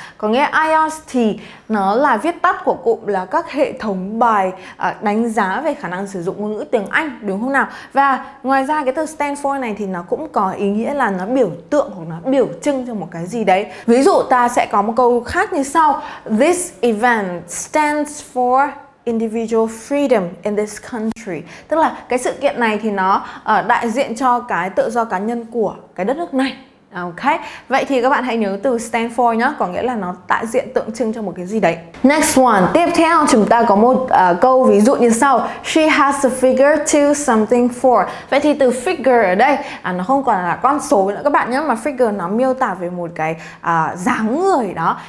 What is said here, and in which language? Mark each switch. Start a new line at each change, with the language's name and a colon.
Vietnamese: Có nghĩa IELTS thì nó là viết tắt của cụm là các hệ thống bài đánh giá về khả năng sử dụng ngôn ngữ tiếng Anh, đúng không nào? Và ngoài ra cái từ stand for này thì nó cũng có ý nghĩa là nó biểu tượng hoặc nó biểu trưng cho một cái gì đấy. Ví dụ ta sẽ có một câu khác như sau.
English: This event stands for individual freedom in this country.
Vietnamese: Tức là cái sự kiện này thì nó đại diện cho cái tự do cá nhân của cái đất nước này. Ok, vậy thì các bạn hãy nhớ từ stand for nhá, có nghĩa là nó đại diện tượng trưng cho một cái gì đấy.
English: Next one,
Vietnamese: tiếp theo chúng ta có một câu ví dụ như sau.
English: She has a figure to something for.
Vietnamese: Vậy thì từ figure ở đây nó không còn là con số nữa các bạn nhé, mà figure nó miêu tả về một cái dáng người đó.